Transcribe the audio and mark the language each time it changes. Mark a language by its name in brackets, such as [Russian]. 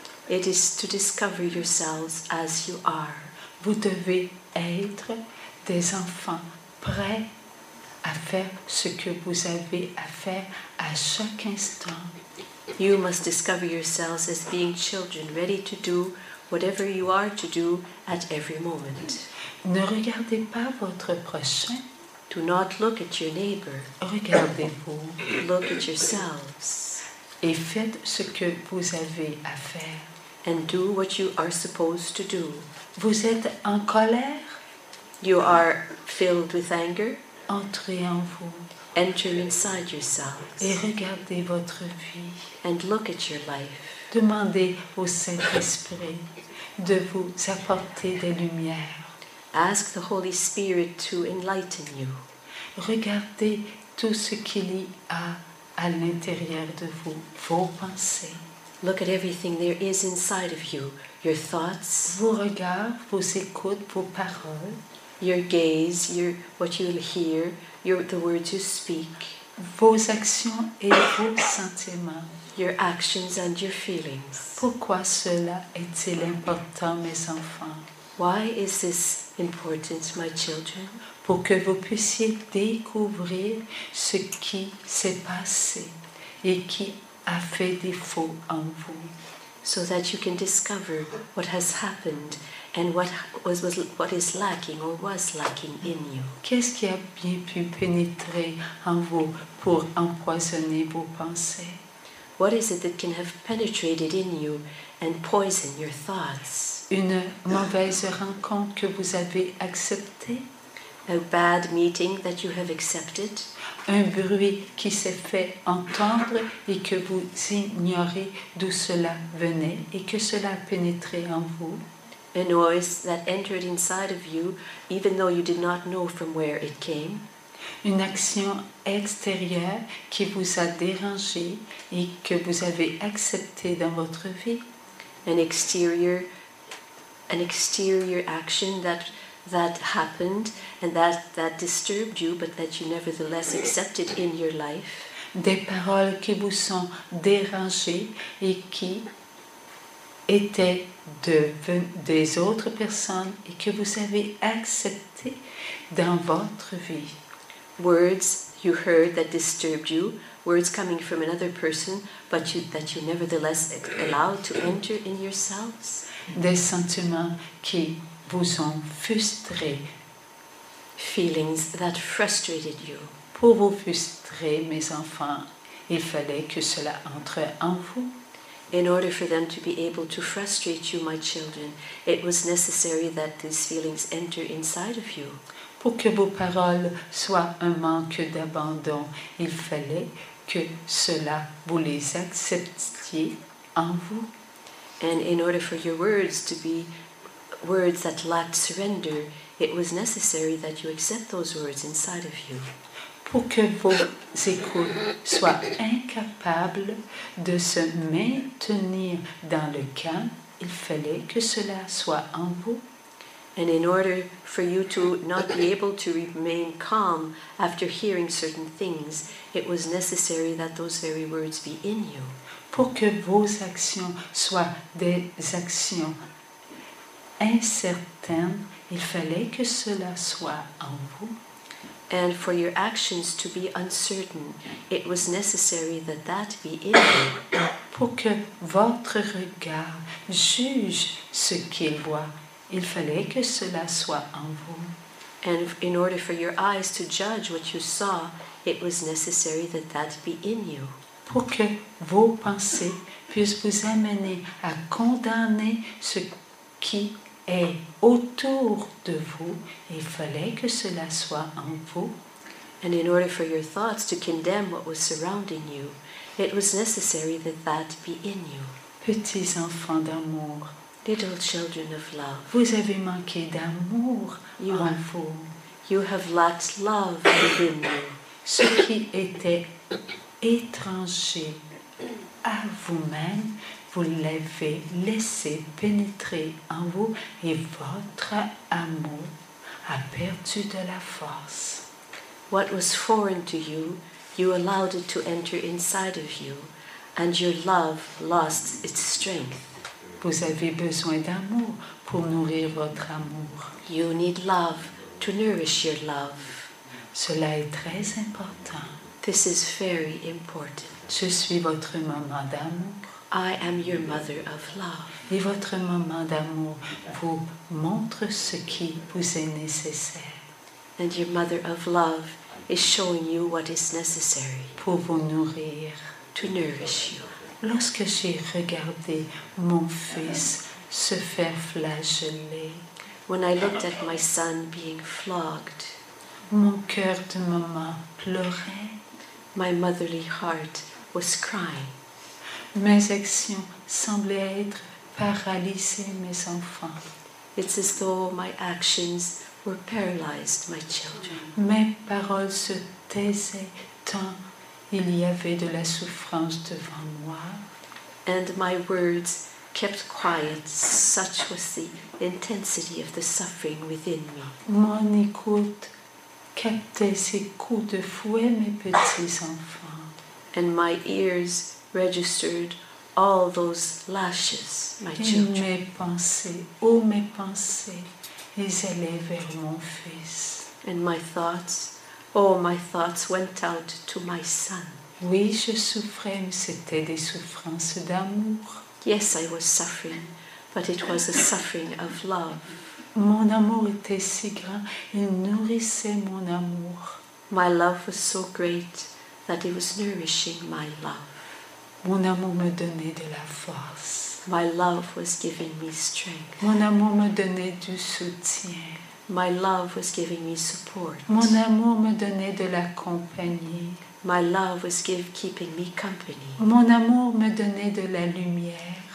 [English] It is to discover yourselves as you are. [French] Vous devez être des enfants prêts à faire ce que vous avez à faire à chaque instant. [English] You must discover yourselves as being children, ready to do whatever you are to do at every moment. [French] Ne regardez pas votre prochain. [English] Do not look at your neighbor. [French] Regardez-vous. [English] Look at yourselves. [French] Et faites ce que vous avez à faire. [English] And do what you are supposed to do. [French] Vous êtes en colère? [English] You are filled with anger. [French] Entrez en vous. [English] Enter inside yourselves. [French] Et regardez votre vie. [English] And look at your life. [French] Demandez au Saint-Esprit de vous apporter des lumières. [English] Ask the Holy Spirit to enlighten you. [French] Regardez tout ce qu'il y a à l'intérieur de vous, vos pensées. [English] Look at everything there is inside of you, your thoughts. [French] Vos regards, vos écoutes, vos paroles. [English] Your gaze, what you hear, the words you speak. [French] Vos actions et vos sentiments. [English] Your actions and your feelings. [French] Pourquoi cela est-il important, mes enfants? [English] Why is this important, my children? [French] Pour que vous puissiez découvrir ce qui s'est passé et qui a fait défaut en vous. [English] So that you can discover what has happened and what is lacking or was lacking in you. [French] Qu'est-ce qui a bien pu pénétrer en vous pour empoisonner vos pensées? [English] What is it that can have penetrated in you and poisoned your thoughts? [French] Une mauvaise rencontre que vous avez acceptée? [English] A bad meeting that you have accepted. [French] Un bruit qui s'est fait entendre et que vous ignorez d'où cela venait et que cela a pénétré en vous. [English] A noise that entered inside of you, even though you did not know from where it came. [French] Une action extérieure qui vous a dérangé et que vous avez accepté dans votre vie. [English] An exterior action that happened and that disturbed you, but that you nevertheless accepted in your life. [French] Des paroles qui vous sont dérangées et qui étaient des autres personnes et que vous avez acceptées dans votre vie. [English] Words you heard that disturbed you, words coming from another person, but that you nevertheless allowed to enter in yourselves. [French] Des sentiments qui vous ont frustré. [English] Feelings that frustrated you. [French] Pour vous frustrer, mes enfants, il fallait que cela entre en vous. [English] In order for them to be able to frustrate you, my children, it was necessary that these feelings enter inside of you. [French] Pour que vos paroles soient un manque d'abandon, il fallait que cela vous les acceptiez en vous. [English] And in order for your words to be words that lacked surrender, it was necessary that you accept those words inside of you. [French] Pour que vos écoutes soient incapables de se maintenir dans le calme, il fallait que cela soit en vous. [English] And in order for you to not be able to remain calm after hearing certain things, it was necessary that those very words be in you. [French] Pour que vos actions soient des actions incertaine, il fallait que cela soit en vous. [English] And for your actions to be uncertain, it was necessary that be in you. [French] Pour que votre regard juge ce qu'il voit, il fallait que cela soit en vous. [English] And in order for your eyes to judge what you saw, it was necessary that be in you. [French] Pour que vos pensées puissent vous amener à condamner ce qui est autour de vous, il fallait que cela soit en vous. [English] And in order for your thoughts to condemn what was surrounding you, it was necessary that be in you. [French] Petits enfants d'amour, [English] little children of love, [French] vous avez manqué d'amour en vous. [English] You have lacked love within you. [French] Ce qui était étranger à vous-même, vous l'avez laissé pénétrer en vous et votre amour a perdu de la force. [English] What was foreign to you, you allowed it to enter inside of you, and your love lost its strength. [French] Vous avez besoin d'amour pour nourrir votre amour. [English] You need love to nourish your love. [French] Cela est très important. [English] This is very important. [French] Je suis votre maman d'amour. [English] I am your mother of love. [French] Et votre maman d'amour vous montre ce qui vous est nécessaire. [English] And your mother of love is showing you what is necessary. [French] Pour vous nourrir. [English] To nourish you. [French] Lorsque j'ai regardé mon fils se faire flageller. [English] when I looked at my son being flogged. [French] Mon cœur de maman pleurait. [English] My motherly heart was crying. [French] Mes actions semblaient être paralysées, mes enfants. [English] It's as though my actions were paralyzed, my children. [French] Mes paroles se taisaient tant il y avait de la souffrance devant moi. [English] And my words kept quiet, such was the intensity of the suffering within me. [French] Mon écoute captait ces coups de fouet, mes petits enfants. [English] And my ears registered all those lashes, my children. [French] Et mes pensées, oh mes pensées, ils allaient vers mon fils. [English] And my thoughts, oh my thoughts, went out to my son. [French] Oui, je souffrais, mais c'était des souffrances d'amour. [English] Yes, I was suffering, but it was a suffering of love. [French] Mon amour était si grand, il nourrissait mon amour. [English] My love was so great that it was nourishing my love. [French] Mon amour me donnait de la force. [English] My love was giving me strength. [French] Mon amour me donnait du soutien. [English] My love was giving me support. [French] Mon amour me donnait de la compagnie. [English] My love was keeping me company. [French] Mon amour me donnait de la lumière.